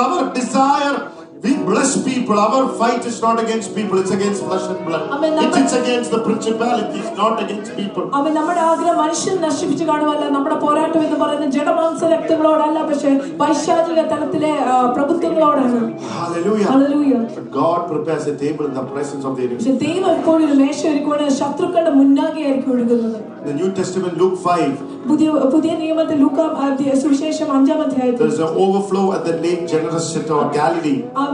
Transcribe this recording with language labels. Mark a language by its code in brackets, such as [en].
[en] Our desire, we bless people. Our fight is not against people. It's against flesh and blood. It's against the principalities, not against people. Amen. [ml] നമ്മുടെ ആഗ്രഹം മനുഷ്യനെ നശിപ്പിക്കാനല്ല, നമ്മുടെ പോരാട്ടം എന്ന് പറയുന്നത് ജഡമാംസരക്തങ്ങളോടല്ല, പക്ഷേ വൈശാചിക തലത്തിലെ പ്രഭുത്വങ്ങളോടാണ്. [en] Hallelujah. Hallelujah. But God prepares a table in the presence of the enemy. [ml] ദൈവം എപ്പോഴും മേശയൊരുക്കുന്ന ശത്രുക്കളുടെ മുന്നാകെ ആയിരിക്കും ഒഴുകുന്നത്. [en] The New Testament, Luke 5. [ml] പുതിയ നിയമത്തിൽ ലൂക്ക സുവിശേഷം അഞ്ചാം അധ്യായത്തിൽ. [en] There's an overflow at the lake Genesaret of Galilee.